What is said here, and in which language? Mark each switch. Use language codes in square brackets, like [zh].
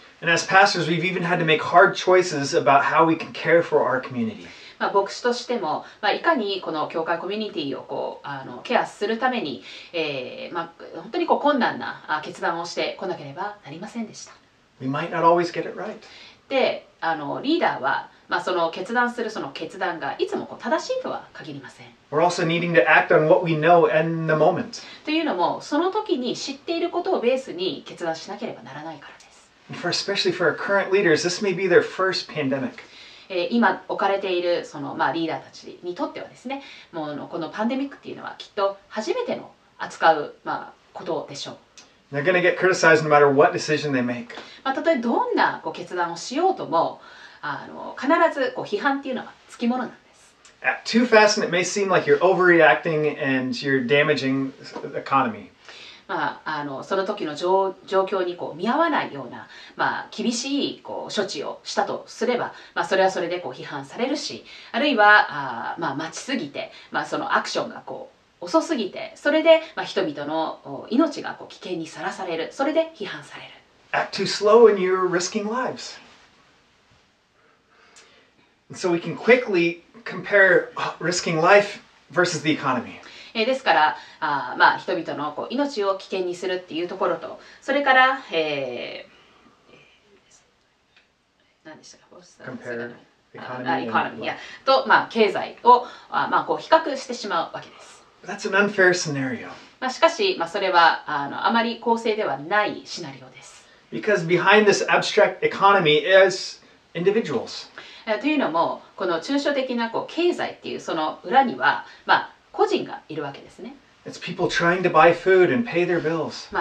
[en] And as pastors, we've even had to make hard choices about how we can care for our community. [ja] 牧師としても、いかにこの教会コミュニティをこうケアするために、本当にこう困難な決断をしてこなければなりませんでした。 [en] We might not always get it right. [ja] で、リーダーは、その決断するその決断がいつもこう正しいとは限りません。 [en] We're also needing to act on what we know in the moment. [ja] というのも、その時に知っていることをベースに決断しなければならないからです。 [en] Especially for our current leaders, this may be their first pandemic. [ja] 今置かれているそのリーダーたちにとってはですね、もうこのパンデミックっていうのはきっと初めての扱うことでしょう。 [en] They're going to get criticized no matter what decision they make. [ja] たとえどんなこう決断をしようとも、必ずこう批判っていうのはつきものなんです。 [en] Too fast, and it may seem like you're overreacting and you're damaging the economy. [ja] その時の状況にこう見合わないような、厳しいこう処置をしたとすれば、それはそれでこう批判されるし、あるいは、待ちすぎて、そのアクションがこう遅すぎて、それで、人々の命がこう危険にさらされる、それで批判される。 [en] Act too slow and you're risking lives. So we can quickly. Compare risking life versus the economy. [ja] ですから、人々のこう命を危険にするっていうところと、それから、何でしたか、 [en] Compare economy [ja] やと、経済を、こう比較してしまうわけです。 [en] That's an unfair scenario. [ja] しかし、それは あまり公正ではないシナリオです。 [en] Because behind this abstract economy is individuals. [ja] というのも、この抽象的なこう経済っていうその裏には、個人がいるわけですね。 [en] It's people trying to buy food and pay their bills.